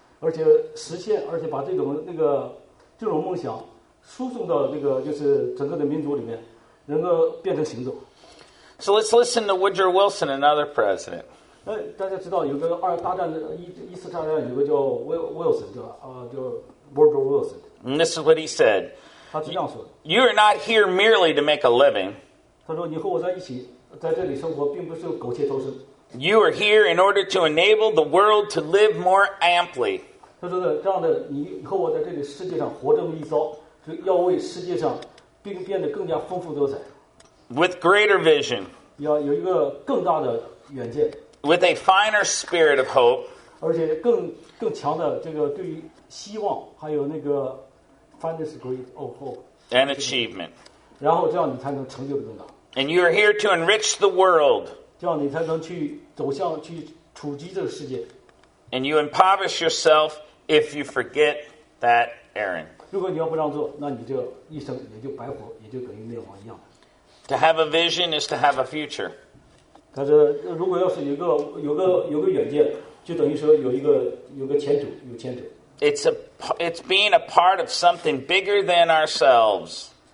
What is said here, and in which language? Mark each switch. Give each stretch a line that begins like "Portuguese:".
Chinese: 而且实现，而且把这种梦想输送到那个就是整个的民族里面，能够变成行动。
English: So let's listen to Woodrow Wilson, another president.
Chinese: 大家知道有个二大战的一次大战，有个叫 Wilson 的，叫 Woodrow Wilson。
English: And this is what he said.
Chinese: 他这样说的。
English: You are not here merely to make a living.
Chinese: 他说你和我在一起，在这里生活，并不是苟且偷生。
English: You are here in order to enable the world to live more amply.
Chinese: 他说的这样的，你和我在这个世界上活这么一遭，就要为世界上并变得更加丰富多彩。
English: With greater vision.
Chinese: 要有一个更大的远见。
English: With a finer spirit of hope.
Chinese: 而且更强的这个对于希望，还有那个
English: finer spirit of hope. And achievement.
Chinese: 然后这样你才能成就更大。
English: And you are here to enrich the world.
Chinese: 这样你才能去走向去处置这个世界。
English: And you impoverish yourself if you forget that errand.
Chinese: 如果你要不让做，那你这一生也就白活，也就等于灭亡一样。
English: To have a vision is to have a future.
Chinese: 但是如果要是有个远见，就等于说有个前途，有前途。
English: It's being a part of something bigger than ourselves.